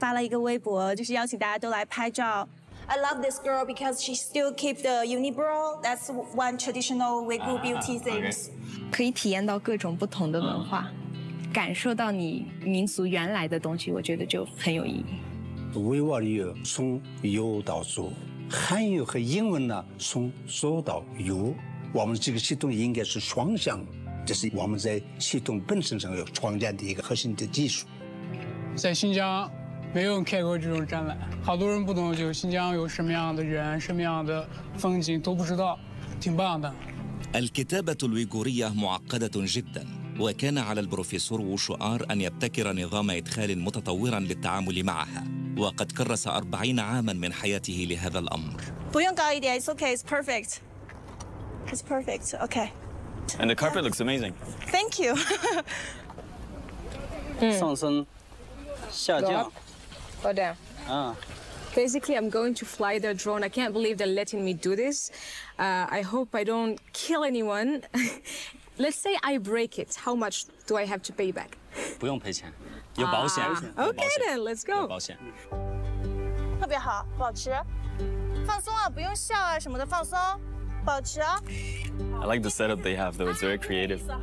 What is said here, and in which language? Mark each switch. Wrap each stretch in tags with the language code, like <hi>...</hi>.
<zh>在画廊搭了5个景，发了一个微博，就是邀请大家都来拍照。</zh> <en>I love this girl because she still keep the unibrow. That's one traditional Uyghur beauty things.</en> <zh>可以体验到各种不同的文化，感受到你民族原来的东西，我觉得就很有意义。维吾尔语从右到左，汉语和英文呢从左到右，我们这个系统应该是双向，这是我们在系统本身上有创建的一个核心的技术。在新疆没有开过这种展览，好多人不懂，就新疆有什么样的人、什么样的风景都不知道，挺棒的。</zh> <ar>الكتابة الويغورية معقدة جدا، وكان على البروفيسور وو شوآر أن يبتكر نظام إدخال متطورا للتعامل معها، وقد كرس 40 عاما من حياته لهذا الأمر.</ar> <zh>不用高一点</zh> <en>，It's okay, it's perfect. It's perfect, okay. And the carpet looks amazing. Thank you.</en> <zh>上升。</zh> <en>Go up or down? Basically, I'm going to fly their drone. I can't believe they're letting me do this. I hope I don't kill anyone. Let's say I break it. How much do I have to pay back?</en> <zh>不用赔钱，有保险。</zh> <en>Okay then, let's go.</en> <zh>有保险。特别好，保持，放松啊，不用笑啊，什么的，放松，保持啊。</zh> <en>I like the setup they have, though. It's very creative.</en>